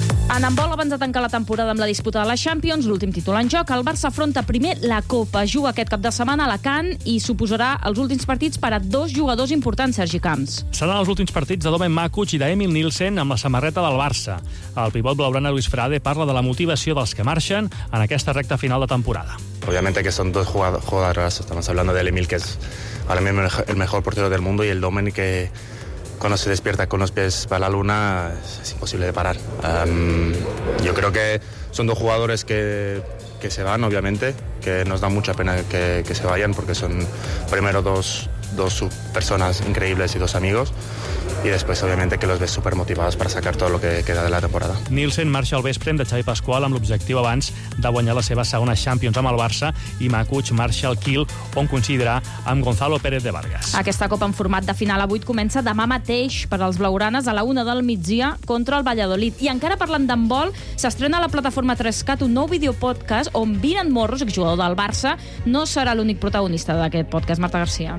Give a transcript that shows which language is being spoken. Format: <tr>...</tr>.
<ca>En handbol, abans de tancar la temporada amb la disputa de la Champions, l'últim títol en joc, el Barça afronta primer la Copa. Juga aquest cap de setmana a Alacant i suposarà els últims partits per a dos jugadors importants, Sergi Camps. Seran els últims partits de Domen Makuç i d'Emil Nielsen amb la samarreta del Barça. El pivot blaugrana Luis Frade parla de la motivació dels que marxen en aquesta recta final de temporada.</ca> <es>Obviamente que son dos jugadores, estamos hablando de Emil, que es para mí el mejor portero del mundo, y el Domenech, que cuando se despierta con los pies para la luna es imposible de parar. Yo creo que son dos jugadores que se van, obviamente, que nos da mucha pena que se vayan, porque son primero dos personas increíbles y dos amigos, y después obviamente que los ves súper motivados para sacar todo lo que queda de la temporada.</es> <ca>Nielsen marxa al vespre de Xavi Pascual amb l'objectiu abans de guanyar la seva segona Champions amb el Barça, i Makuch marxa al Kiel, on coincidirà amb Gonzalo Pérez de Vargas. Aquesta copa en format de final a 8 comença demà mateix per als blaugranes a la 1 del migdia contra el Valladolid. I encara parlant d'handbol, s'estrena a la plataforma 3Cat un nou videopodcast on Vinan Morros, exjugador del Barça, no serà l'únic protagonista d'aquest podcast, Marta García.</ca>